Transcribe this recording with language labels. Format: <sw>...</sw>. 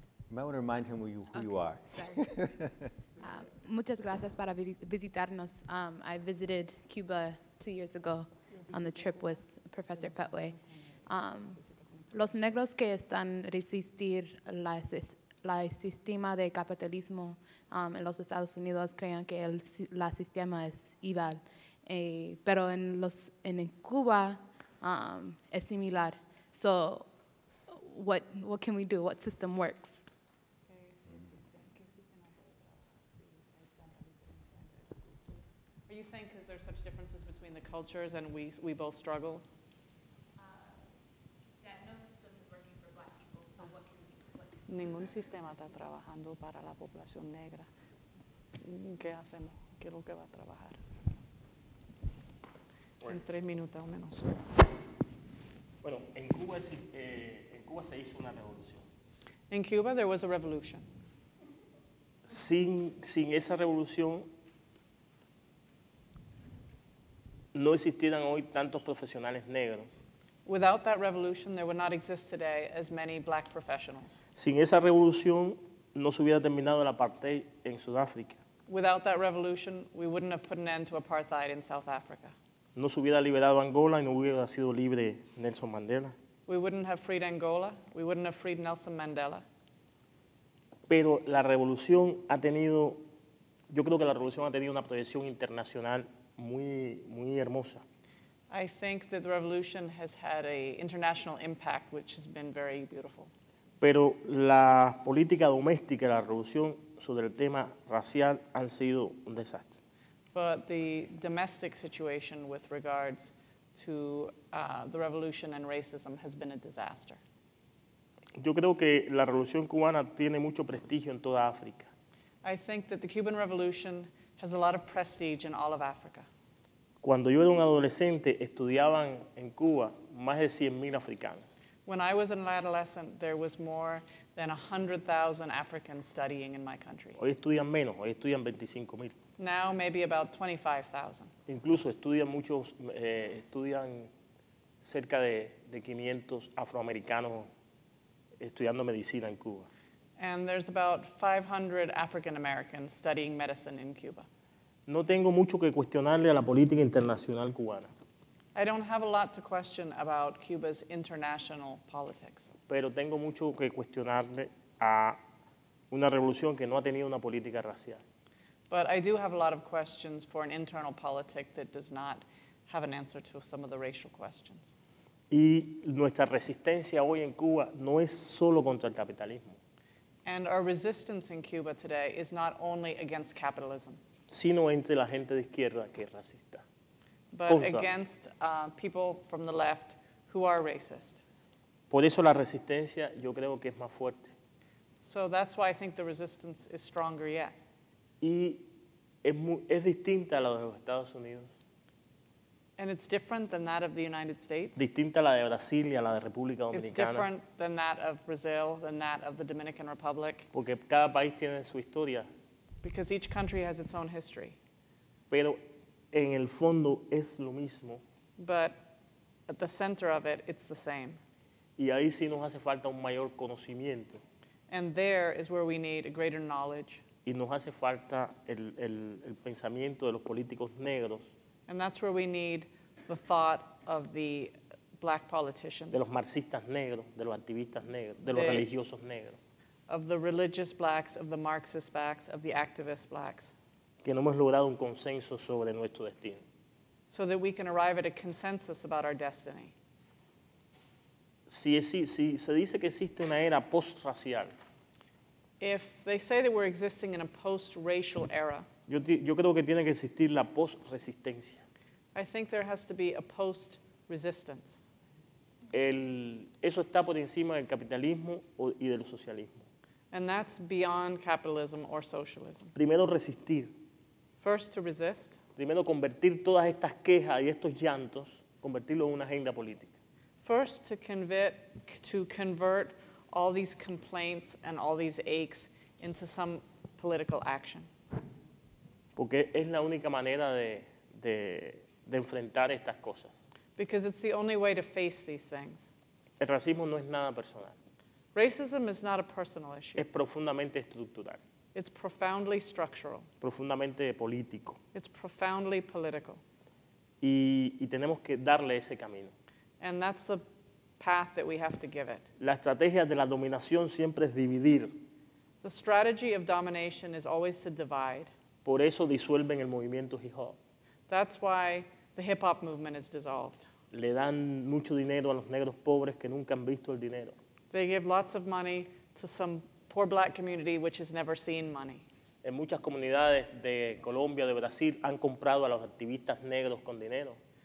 <en>You might want to remind him who you are.</en> <es>Muchas gracias para visitarnos.</es> <en>I visited Cuba 2 years ago on the trip with Professor Petway.</en> <es>Los negros que están resistir la sistema de capitalismo en los Estados Unidos creen que el sistema es igual. Pero en Cuba es similar.</es> <en>So what can we do? What system works? Are you saying because there's such differences between the cultures and we both struggle? That no system is working for black people, so what can we do?</en> <es>Ningún sistema está trabajando para la población negra. ¿Qué hacemos? ¿Qué es lo que va a trabajar? Bueno. En 3 minutos o menos. Bueno, en Cuba se hizo una revolución.</es> <en>In Cuba, there was a revolution.</en> <es>Sin esa revolución, no existieran hoy tantos profesionales negros.</es> <en>Without that revolution, there would not exist today as many black professionals.</en> <es>Sin esa revolución, no se hubiera terminado el apartheid en Sudáfrica.</es> <en>Without that revolution, we wouldn't have put an end to apartheid in South Africa.</en> <es>No se hubiera liberado Angola y no hubiera sido libre Nelson Mandela.</es> <en>We wouldn't have freed Angola. We wouldn't have freed Nelson Mandela.</en> <es>Pero la revolución ha tenido, yo creo que la revolución ha tenido una proyección internacional muy, muy hermosa.</es> <en>I think that the revolution has had an international impact, which has been very beautiful.</en> <es>Pero la política doméstica, la revolución sobre el tema racial, han sido un desastre.</es> <en>But the domestic situation with regards to the revolution and racism has been a disaster.</en> <es>Yo creo que la revolución cubana tiene mucho prestigio en toda África.</es> <en>I think that the Cuban revolution has a lot of prestige in all of Africa.</en> <es>Cuando yo era un adolescente, estudiaban en Cuba más de 100,000 africanos.</es> <en>When I was an adolescent, there was more than 100,000 Africans studying in my country.</en> <es>Hoy estudian menos, hoy estudian 25,000.</es> <en>Now maybe about 25,000.</en> <es>Incluso estudian muchos, estudian cerca de 500 afroamericanos estudiando medicina en Cuba.</es> <en>And there's about 500 African Americans studying medicine in Cuba.</en> <es>No tengo mucho que cuestionarle a la política internacional cubana.</es> <en>I don't have a lot to question about Cuba's international politics.</en> <es>Pero tengo mucho que cuestionarle a una revolución que no ha tenido una política racial.</es> <en>But I do have a lot of questions for an internal politic that does not have an answer to some of the racial questions.</en> <es>Y nuestra resistencia hoy en Cuba no es solo contra el capitalismo.</es> <en>And our resistance in Cuba today is not only against capitalism,</en> <es>sino entre la gente de izquierda que es racista.</es> <en>But against people from the left who are racist.</en> <es>Por eso la resistencia yo creo que es más fuerte.</es> <en>So that's why I think the resistance is stronger yet.</en> <es>Y es distinta a la de los Estados Unidos.</es> <en>And it's different than that of the United States.</en> <es>Distinta a la de Brasil y a la de República Dominicana.</es> <en>It's different than that of Brazil, than that of the Dominican Republic.</en> <es>Porque cada país tiene su historia.</es> <en>Because each country has its own history.</en> <es>Pero en el fondo es lo mismo.</es> <en>But at the center of it, it's the same.</en> <es>Y ahí sí nos hace falta un mayor conocimiento.</es> <en>And there is where we need a greater knowledge.</en> <es>Y nos hace falta el pensamiento de los políticos negros.</es> <en>And that's where we need the thought of the black politicians.</en> <es>De los marxistas negros, de los activistas negros, de los religiosos negros.</es> <en>Of the religious blacks, of the Marxist blacks, of the activist blacks.</en> <es>Que no hemos logrado un consenso sobre nuestro destino.</es> <en>So that we can arrive at a consensus about our destiny.</en> <es>Si se dice que existe una era post-racial.</es> <en>If they say that we're existing in a post-racial era.</en> <es>Yo creo que tiene que existir la post-resistencia.</es> <en>I think there has to be a post-resistance.</en> <es>Eso está por encima del capitalismo y del socialismo.</es> <en>And that's beyond capitalism or socialism.</en> <es>Primero resistir.</es> <en>First to resist.</en> <es>Primero convertir todas estas quejas y estos llantos, convertirlo en una agenda política.</es> <en>First to convert all these complaints and all these aches into some political action.</en> <es>Porque es la única manera de enfrentar estas cosas.</es> <en>Because it's the only way to face these things.</en> <es>El racismo no es nada personal.</es> <en>Racism is not a personal issue.</en> <es>Es profundamente estructural.</es> <en>It's profoundly structural.</en> <es>Profundamente político.</es> <en>It's profoundly political.</en> <es>Y tenemos que darle ese camino.</es> <en>And that's the path that we have to give it.</en> <es>La estrategia de la dominación siempre es dividir.</es> <en>The strategy of domination is always to divide.</en> <es>Por eso disuelven el movimiento hip hop.</es> <en>That's why the hip hop movement is dissolved.</en> <es>Le dan mucho dinero a los negros pobres que nunca han visto el dinero.</es> <en>They give lots of money to some poor black community which has never seen money.</en> <es>En muchas comunidades de Colombia, de Brasil, han comprado a los activistas negros con dinero.</es>